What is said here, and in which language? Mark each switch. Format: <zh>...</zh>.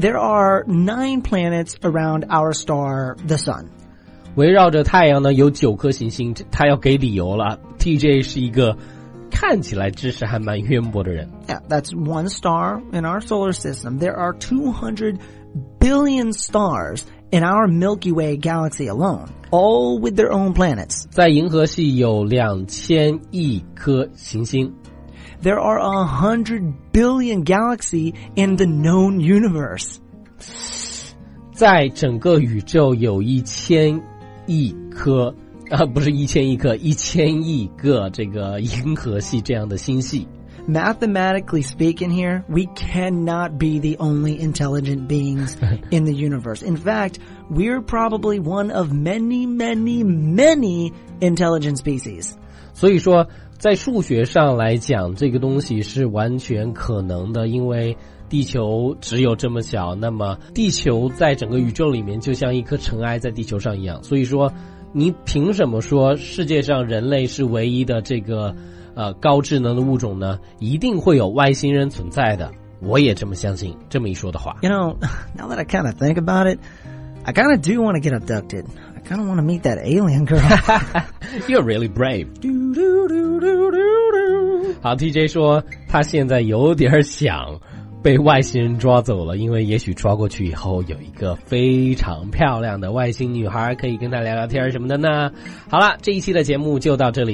<en>There are 9 planets around our star, the sun.</en> <zh>围绕着太阳呢，有九颗行星，他要给理由了。 TJ 是一个看起来知识还蛮渊博的人。</zh> <en>Yeah, that's one star in our solar system. There are 200billion stars in our Milky Way galaxy alone, all with their own planets.</en> <zh>在银河系有2000亿颗行星。</zh> <en>There are 100 billion galaxies in the known universe.</en> <zh>在整个宇宙有1000亿颗，不是1000亿颗，1000亿个这个银河系这样的星系。</zh> <en>Mathematically speaking here, we cannot be the only intelligent beings in the universe. In fact, we're probably one of many, many, many intelligent species.</en> <zh>所以说在数学上来讲这个东西是完全可能的，因为地球只有这么小，那么地球在整个宇宙里面就像一颗尘埃在地球上一样。所以说你凭什么说世界上人类是唯一的这个高智能的物种呢？一定会有外星人存在的，我也这么相信。这么一说的话</zh> <en>，You know, now that I kind of think about it, I kind of do want to get abducted. I kind of want to meet that alien girl. You're really brave. Do, do, do, do, do, do.</en> <zh>好 ，TJ 说他现在有点想被外星人抓走了，因为也许抓过去以后有一个非常漂亮的外星女孩可以跟他聊聊天什么的呢。好了，这一期的节目就到这里。</zh>